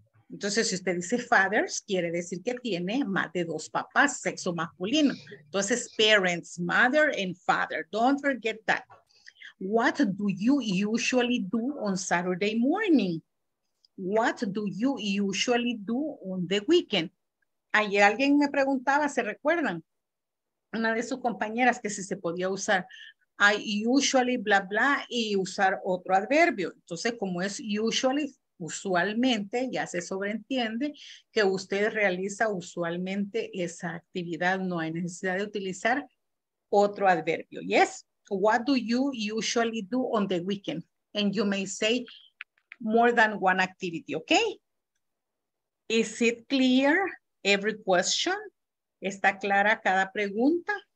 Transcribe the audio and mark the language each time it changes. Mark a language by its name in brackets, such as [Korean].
[Spanish] Entonces, si usted dice fathers, quiere decir que tiene más de 2 papás, sexo masculino. [English] Entonces, parents, mother and father. Don't forget that. What do you usually do on Saturday morning? What do you usually do on the weekend? [Spanish] Ayer alguien me preguntaba, ¿se recuerdan? Una de sus compañeras, que si se podía usar [English] I usually bla bla [Spanish] y usar otro adverbio. Entonces, como es usually, usualmente, ya se sobreentiende que usted realiza usualmente esa actividad. No hay necesidad de utilizar otro adverbio. [English] Yes, what do you usually do on the weekend? And you may say more than one activity, okay? Is it clear every question? [Spanish] ¿Está clara cada pregunta?